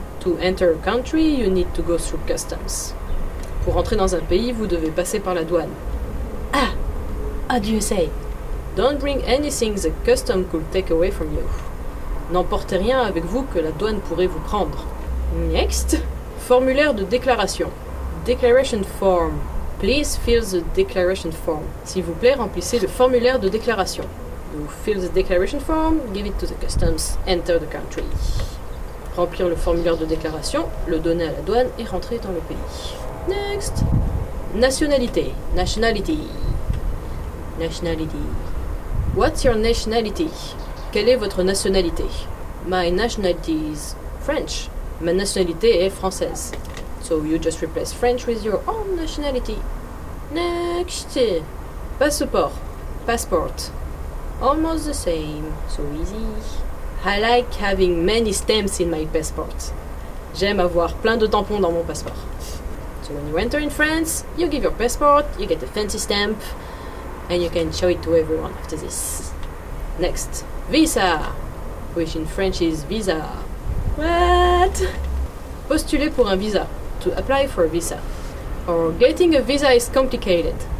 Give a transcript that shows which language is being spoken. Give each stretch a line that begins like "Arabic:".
English: To enter a country, you need to go through customs.
French: Pour entrer dans un pays, vous devez passer par la douane.
English: Ah, how do you say? Don't bring anything the custom could take away from you.
French: N'emportez rien avec vous que la douane pourrait vous prendre. Next, formulaire de déclaration.
English: Declaration form. Please fill the declaration form.
French: S'il vous plaît, remplissez le formulaire de déclaration.
English: You fill the declaration form, give it to the customs, enter the country.
French: Remplir le formulaire de déclaration, le donner à la douane et rentrer dans le pays.
English: Next. Nationalité. Nationality. Nationality. What's your nationality?
French: Quelle est votre nationalité?
English: My nationality is French.
French: Ma nationalité est française.
English: So you just replace French with your own nationality. Next. Passeport. Passport. Almost the same, so easy. I like having many stamps in my passport.
French: J'aime avoir plein de tampons dans mon passeport.
English: So when you enter in France, you give your passport, you get a fancy stamp, and you can show it to everyone after this. Next, visa, which in French is visa. What?
French: Postuler pour un visa,
English: to apply for a visa. Or getting a visa is complicated.